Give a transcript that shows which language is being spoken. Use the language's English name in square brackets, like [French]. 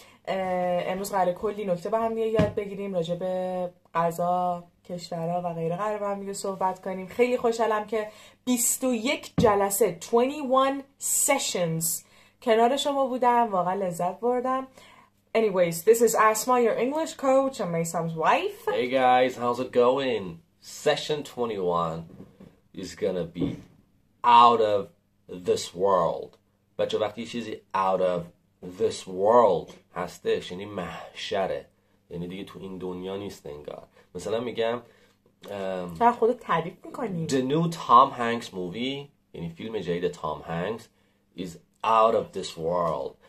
[Persian] امروز قراره کلی نکته با هم یاد بگیریم راجع به غذا، کشورها و غیره. قراره با هم دیگه صحبت کنیم. خیلی خوشحالم که 21 جلسه [English] 21 sessions [Persian] کنار شما بودم. واقعا لذت بردم. [English] Anyways, this is Asma, your English coach, and Maysam's wife. Hey guys, how's it going? Session 21 is gonna be out of this world. [Persian] بچه وقتی چیزی [English] out of this world [Persian] هستش یعنی محشره، یعنی دیگه تو این دنیا نیست انگار. مثلا میگم خودت تعریف میکنی. [English] The new Tom Hanks movie [Persian] یعنی فیلم جدید [English] Tom Hanks is out of this world.